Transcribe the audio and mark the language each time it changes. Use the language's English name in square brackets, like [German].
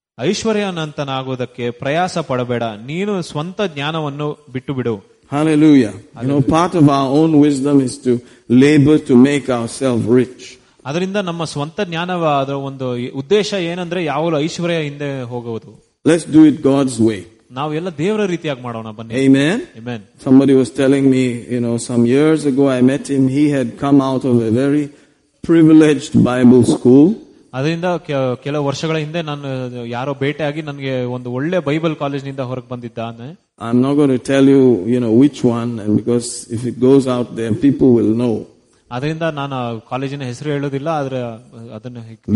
[Kannada] ಐಶ್ವರ್ಯನಂತನಾಗುವುದಕ್ಕೆ ಪ್ರಯಾಸ ಪಡಬೇಡ, ನೀನು ಸ್ವಂತ ಜ್ಞಾನವನ್ನು ಬಿಟ್ಟು ಬಿಡು. Hallelujah. [English] You know part of our own wisdom is to labour to make our self rich. [Kannada] ಅದರಿಂದ ನಮ್ಮ ಸ್ವಂತ ಜ್ಞಾನವಾದ ಒಂದು ಉದ್ದೇಶ ಏನಂದ್ರೆ ಯಾವಾಗಲೂ ಐಶ್ವರ್ಯ ಹಿಂದೆ ಹೋಗುವುದು. [English] Let's do it God's way. [Kannada] ನಾವು ಎಲ್ಲ ದೇವರ ರೀತಿಯಾಗಿ ಮಾಡೋಣ, ಬನ್ನಿ. Amen amen. [English] Somebody was telling me, you know, some years ago I met him. He had come out of a very privileged Bible school. [Kannada] ಅದರಿಂದ ಕೆಲವು ವರ್ಷಗಳ ಹಿಂದೆ ನಾನು ಯಾರೋ ಭೇಟಿ ಆಗಿ ನನಗೆ ಒಂದು ಒಳ್ಳೆ ಬೈಬಲ್ ಕಾಲೇಜ್ ನಿಂದ ಹೊರಗೆ ಬಂದಿದ್ದಾನೆ. [English] I am not going to tell you, you know which one, because if it goes out there people will know. [Kannada] ಅದರಿಂದ ನಾನು ಕಾಲೇಜಿನ ಹೆಸರು ಹೇಳೋದಿಲ್ಲ. ಆದ್ರೆ ಅದನ್ನು